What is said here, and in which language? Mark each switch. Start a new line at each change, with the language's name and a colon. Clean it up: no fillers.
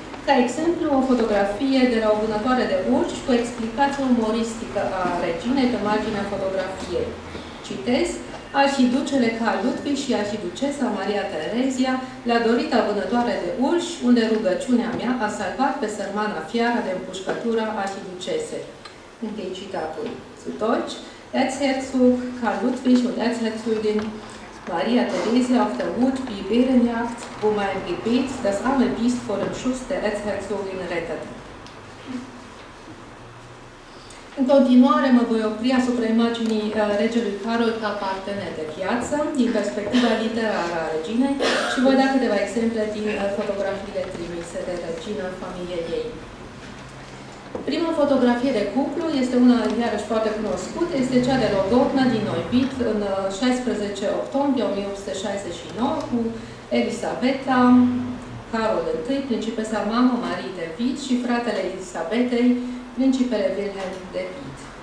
Romanian: Ca exemplu, o fotografie de la o vânătoare de urci cu explicație umoristică a reginei pe marginea fotografiei. Citesc, arhiducele Carl Ludwig și arhiducesa Maria Terezia, la dorita vânătoare de urși, unde rugăciunea mea a salvat pe sărmana fiară de împușcătura arhiducesei. Închei citatul.
German: Zu Deutsch, Erzherzog Karl Ludwig und Erzherzogin Maria Theresia auf der Hut wie Bärenjagd, wo mein Gebet das arme Biest vor dem Schuss der Erzherzogin rettet.
Romanian: În continuare mă voi opri asupra imaginii regelui Carol ca partener de viață, din perspectiva literară a reginei, și voi da câteva exemple din fotografiile trimise de regină în familie ei. Prima fotografie de cuplu este una iarăși foarte cunoscută, este cea de Rodotna din Neuwied în 16 octombrie 1869 cu Elisabeta, Carol I, principesa mamă Marie de Wied și fratele Elisabetei, principele Wilhelm de Wied.